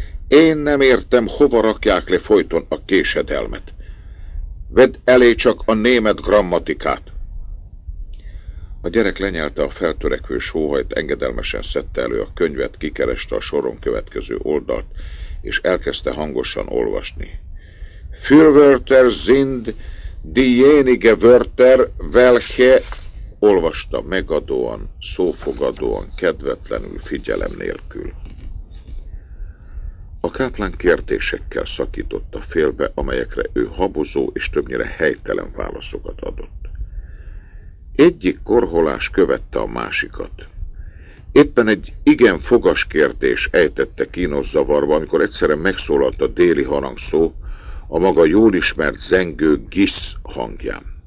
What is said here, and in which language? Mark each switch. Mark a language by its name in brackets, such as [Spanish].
[Hungarian] Én nem értem, hova rakják le folyton a késedelmet. Vedd elé csak a német grammatikát. A gyerek lenyelte a feltörekvő sóhajt, engedelmesen szedte elő a könyvet, kikereste a soron következő oldalt, és elkezdte hangosan olvasni. [German] Fürwörter sind diejenige Wörter, welche... [Hungarian] Olvasta megadóan, szófogadóan, kedvetlenül, figyelem nélkül. A káplán kérdésekkel szakította félbe, amelyekre ő habozó és többnyire helytelen válaszokat adott. Egyik korholás követte a másikat. Éppen egy igen fogas kérdés ejtette kínos zavarba, amikor egyszerre megszólalt a déli harangszó a maga jól ismert zengő gisz hangján.